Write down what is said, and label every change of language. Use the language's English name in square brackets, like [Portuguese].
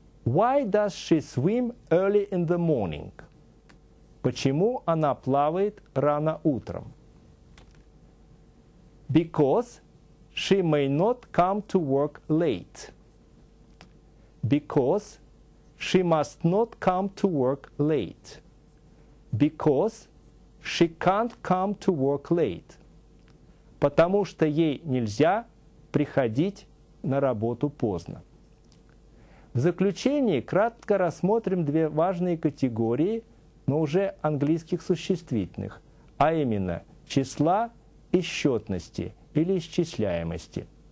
[English] Why does she swim early in the morning? [Russian] Почему она плавает рано утром? [English] Because she may not come to work late. Because she must not come to work late. Because she can't come to work late. [Russian] Потому что ей нельзя приходить на работу поздно. В заключение кратко рассмотрим две важные категории, но уже английских существительных, а именно числа и счетности или исчисляемости.